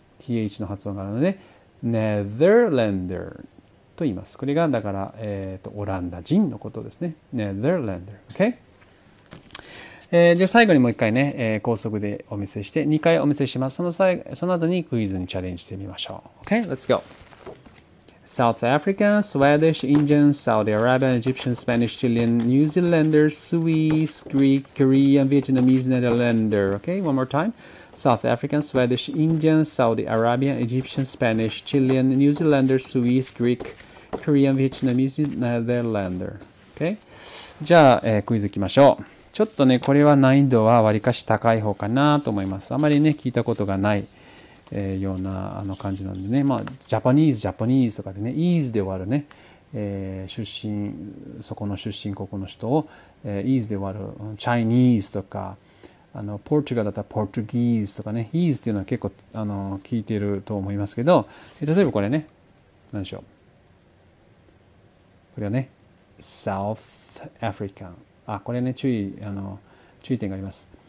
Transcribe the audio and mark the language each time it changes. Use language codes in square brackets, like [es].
[ja] th の発音があるので、ネザーランダーと言います。これがだから、オランダ人のことですね。ネザーランダー。OK? じゃあ最後にもう一回ね、高速でお見せして、2回お見せします。その後にクイズにチャレンジしてみましょう。 [en] OK? Let's go! South African, Swedish, Indian, Saudi Arabian, Egyptian, Spanish, Chilean, New Zealander, Swiss, Greek, Korean, Vietnamese, Netherlander. Okay, one more time. South African, Swedish, Indian, Saudi Arabian, Egyptian, Spanish, Chilean, New Zealander, Swiss, Greek, Korean, Vietnamese, Netherlander. [ja] Okay, じゃあ、クイズいきましょう。ちょっとね、これは難易度はわりかし高い方かなと思います。あまりね、聞いたことがない。ような感じなんでね、まあジャパニーズとかでね、イーズで終わるね、出身、そこの出身国の人を、イーズで終わる、チャイニーズとか、ポルトガルだったらポルトギーズとかね、イーズっていうのは結構聞いてると思いますけど、例えばこれね、何でしょう、これはね、サウスアフリカン、あ、これね、注意点があります。